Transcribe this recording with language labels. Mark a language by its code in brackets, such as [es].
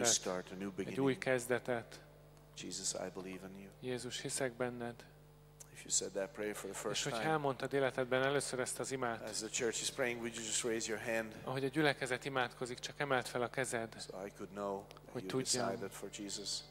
[en] New start, a new beginning. [hu] Egy új kezdetet. [en] Jesus, I believe in you. [hu] Jézus, hiszek benned. [en] If you said that prayer for the first time. [hu] És hogyha elmondtad életedben először ezt az imát. [en] As the church is praying, would you just raise your hand? [hu] Ahogy a gyülekezet imádkozik, csak emeld fel a kezed. [en] So I could know that you decided for Jesus.